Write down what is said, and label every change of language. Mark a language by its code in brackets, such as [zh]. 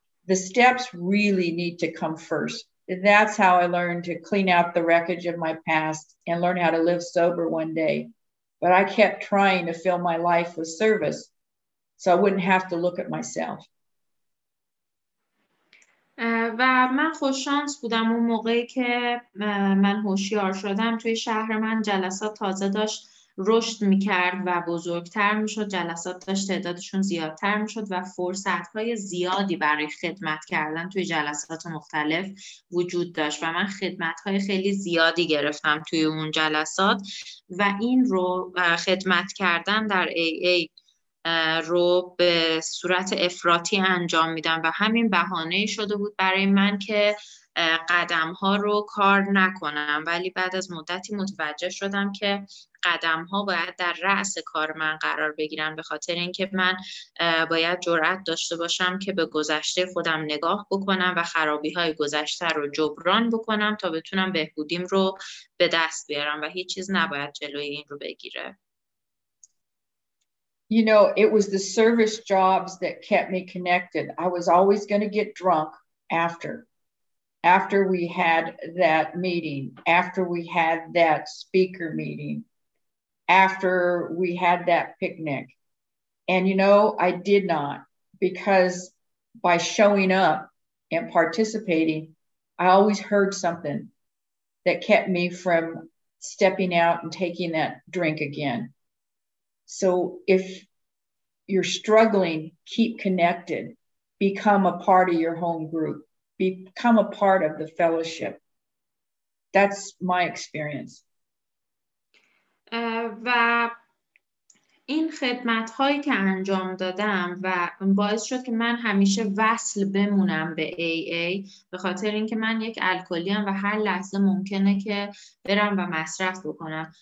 [en] The steps really need to come first. That's how I learned to clean out the wreckage of my past and learn how to live sober one day. But I kept trying to fill my life with service so I wouldn't have to look at myself. [fa] و من خوش شانس بودم اون موقعی که من هوشیار شدم، توی شهر من جلسات تازه داشت رشد می‌کرد و بزرگتر می‌شد، جلسات داشت تعدادشون زیادتر می‌شد و فرصت‌های زیادی برای خدمت کردن توی جلسات مختلف وجود داشت و من خدمت‌های خیلی زیادی گرفتم توی اون جلسات و این رو خدمت کردن در AA رو به صورت افراطی انجام میدم و همین بهانه شده بود برای من که قدم ها رو کار نکنم. ولی بعد از مدتی متوجه شدم که قدم ها باید در رأس کار من قرار بگیرن، به خاطر اینکه من باید جرأت داشته باشم که به گذشته خودم نگاه بکنم و خرابی های گذشته رو جبران بکنم تا بتونم بهبودیم رو به دست بیارم و هیچ چیز نباید جلوی این رو بگیره. [en] You know, it was the service jobs that kept me connected. I was always going to get drunk after we had that meeting, after we had that speaker meeting, after we had that picnic. And, you know, I did not, because by showing up and participating, I always heard something that kept me from stepping out and taking that drink again. So if you're struggling, keep connected. Become a part of your home group. Become a part of the fellowship. That's my experience. [fa] و این خدمت‌هایی که انجام دادم و باعث شد که من همیشه وصل بمونم به AA، به خاطر اینکه من یک الکلی‌ام و هر لحظه ممکنه که برم و مصرف بکنم.